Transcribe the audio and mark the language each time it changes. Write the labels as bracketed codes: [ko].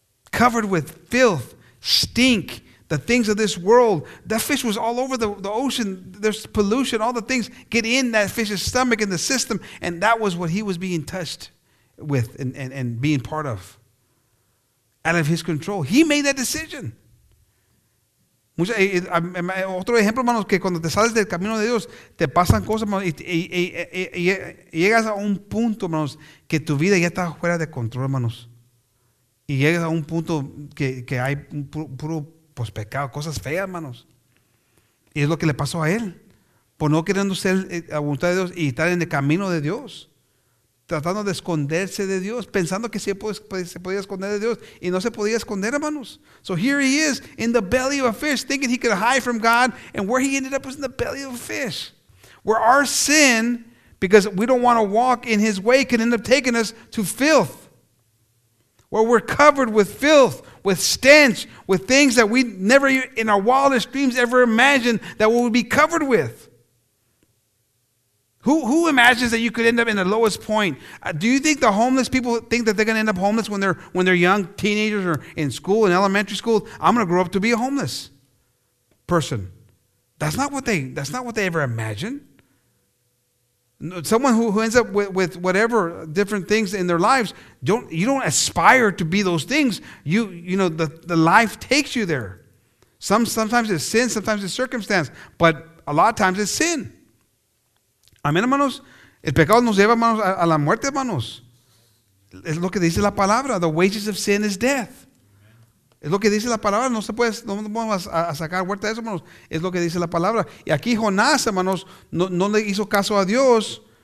[en] Covered with filth, stink, the things of this world. That fish was all over the ocean. There's pollution. All the things get in that fish's stomach and the system. And that was what he was being touched with and being part of. Out of his control. He made that decision. [es] Otro ejemplo, hermanos, que cuando te sales del camino de Dios, te pasan cosas, hermanos, y llegas a un punto, hermanos, que tu vida ya está fuera de control, hermanos. Y llegas a un punto que hay un puro pues, pecado, cosas feas, hermanos. Y es lo que le pasó a él, por no queriendo ser la voluntad de Dios y estar en el camino de Dios, tratando de esconderse de Dios, pensando que se podía esconder de Dios, y no se podía esconder, hermanos. [en] So here he is, in the belly of a fish, thinking he could hide from God, and where he ended up was in the belly of a fish. Where our sin, because we don't want to walk in his way, can end up taking us to filth. Where we're covered with filth, with stench, with things that we never in our wildest dreams ever imagined that we would be covered with. Who imagines that you could end up in the lowest point? Do you think the homeless people think that they're going to end up homeless when they're young teenagers or in school, in elementary school? I'm going to grow up to be a homeless person. That's not what they ever imagined. Someone who ends up with whatever different things in their lives, you don't aspire to be those things. You know, the life takes you there. Sometimes it's sin, sometimes it's circumstance, but a lot of times it's sin. [es] Amén, hermanos. El pecado nos lleva, hermanos, a la muerte, hermanos. Es lo que dice la palabra. [en] The wages of sin is death. [es] Es lo que dice la palabra. No se puede, no vamos a sacar vuelta de eso, hermanos. Es lo que dice la palabra. Y aquí Jonás, hermanos, no le hizo caso a Dios.